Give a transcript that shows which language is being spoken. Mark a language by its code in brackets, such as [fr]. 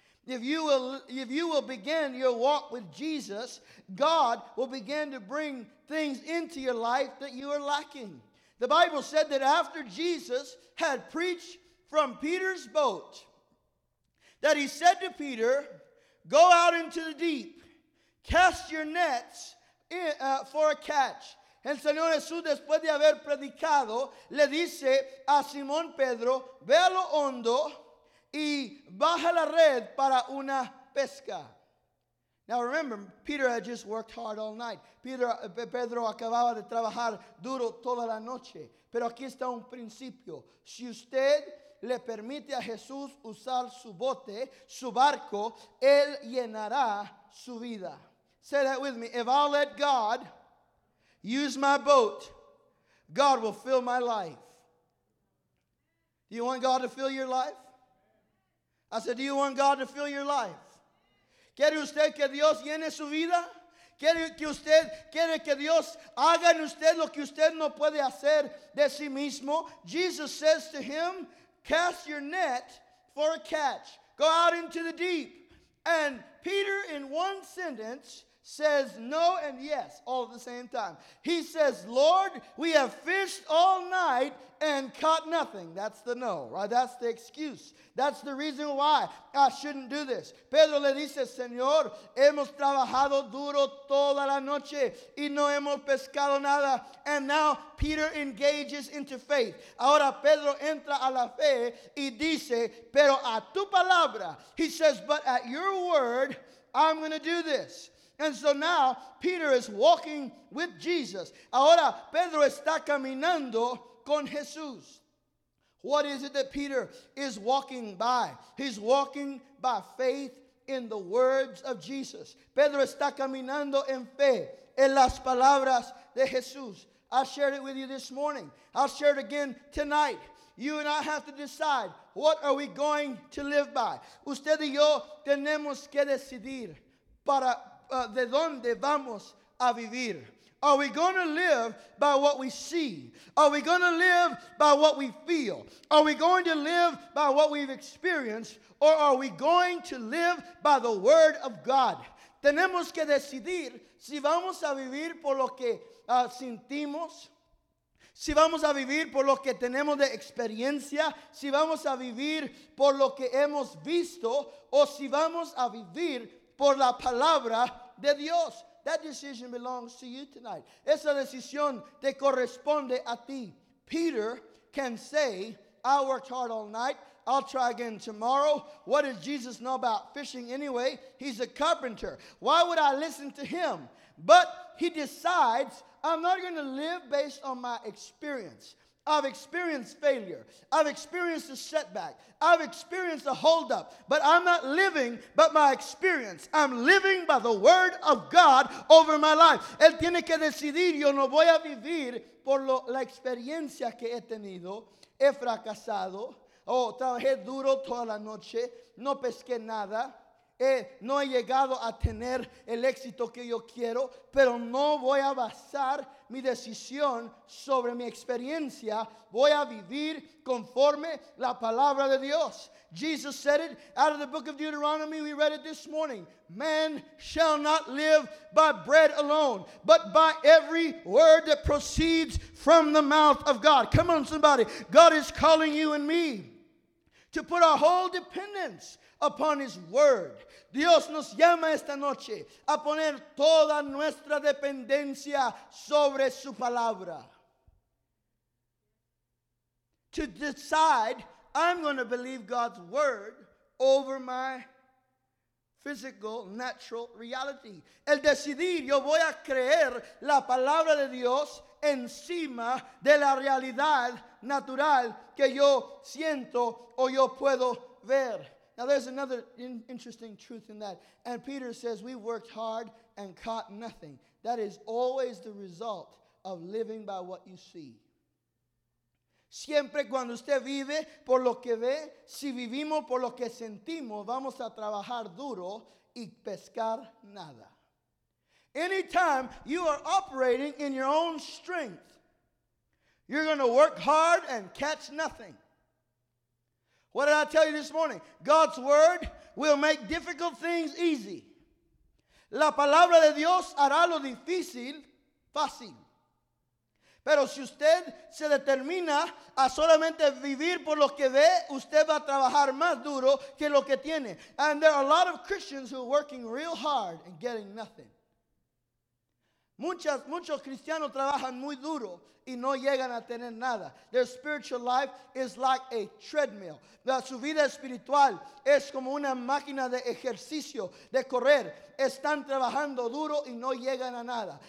[en] If you will begin your walk with Jesus, God will begin to bring things into your life that you are lacking. The Bible said that after Jesus had preached from Peter's boat, that he said to Peter, "Go out into the deep, cast your nets in, for a catch." [es] El Señor Jesús, después de haber predicado, le dice a Simón Pedro, "Ve a lo hondo y baja la red para una pesca." [en] Now remember, Peter had just worked hard all night. [es] Pedro acababa de trabajar duro toda la noche. Pero aquí está un principio. Si usted le permite a Jesús usar su bote, su barco, él llenará su vida. [en] Say that with me. If I'll let God use my boat, God will fill my life. Do you want God to fill your life? I said, do you want God to fill your life? [es] ¿Quiere usted que Dios llene su vida? ¿Quiere que Dios haga en usted lo que usted no puede hacer de sí mismo? [en] Jesus says to him, cast your net for a catch. Go out into the deep. And Peter, in one sentence, says no and yes all at the same time. He says, Lord, we have fished all night and caught nothing. That's the no, right? That's the excuse. That's the reason why I shouldn't do this. [es] Pedro le dice, Señor, hemos trabajado duro toda la noche y no hemos pescado nada. [en] And now Peter engages into faith. [es] Ahora Pedro entra a la fe y dice, pero a tu palabra. [en] He says, but at your word, I'm going to do this. And so now, Peter is walking with Jesus. [es] Ahora, Pedro está caminando con Jesús. [en] What is it that Peter is walking by? He's walking by faith in the words of Jesus. [es] Pedro está caminando en fe en las palabras de Jesús. [en] I shared it with you this morning. I'll share it again tonight. You and I have to decide, what are we going to live by? [es] Usted y yo tenemos que decidir para de dónde vamos a vivir. [en] Are we going to live by what we see? Are we going to live by what we feel? Are we going to live by what we've experienced? Or are we going to live by the word of God? [es] Tenemos que decidir si vamos a vivir por lo que sentimos, si vamos a vivir por lo que tenemos de experiencia, si vamos a vivir por lo que hemos visto, o si vamos a vivir por la palabra de Dios. [en] That decision belongs to you tonight. [es] Esa decisión te corresponde a ti. [en] Peter can say, I worked hard all night. I'll try again tomorrow. What does Jesus know about fishing anyway? He's a carpenter. Why would I listen to him? But he decides, I'm not going to live based on my experience. I've experienced failure. I've experienced a setback. I've experienced a holdup. But I'm not living by my experience. I'm living by the word of God over my life. [es] Él tiene que decidir, yo no voy a vivir por la experiencia que he tenido. He fracasado. Oh, trabajé duro toda la noche. No pesqué nada. No he llegado a tener el éxito que yo quiero, pero no voy a basar mi decisión sobre mi experiencia. Voy a vivir conforme la palabra de Dios. [en] Jesus said it out of the book of Deuteronomy. We read it this morning. Man shall not live by bread alone, but by every word that proceeds from the mouth of God. Come on, somebody. God is calling you and me to put our whole dependence upon his word. [es] Dios nos llama esta noche a poner toda nuestra dependencia sobre su palabra. [en] To decide, I'm going to believe God's word over my physical, natural reality. [es] El decidir, yo voy a creer la palabra de Dios encima de la realidad natural que yo siento o yo puedo ver. [en] Now there's another interesting truth in that. And Peter says, we worked hard and caught nothing. That is always the result of living by what you see. [es] Siempre cuando usted vive por lo que ve, si vivimos por lo que sentimos, vamos a trabajar duro y pescar nada. [en] Anytime you are operating in your own strength, you're going to work hard and catch nothing. What did I tell you this morning? God's word will make difficult things easy. [es] La palabra de Dios hará lo difícil fácil. Pero si usted se determina a solamente vivir por lo que ve, usted va a trabajar más duro que lo que tiene. [en] And there are a lot of Christians who are working real hard and getting nothing. [es] Muchos cristianos trabajan muy duro y no llegan a tener nada. [en] Their spiritual life is like a treadmill. [es] Su vida espiritual es como una máquina de ejercicio, de correr. Están trabajando duro y no llegan a nada.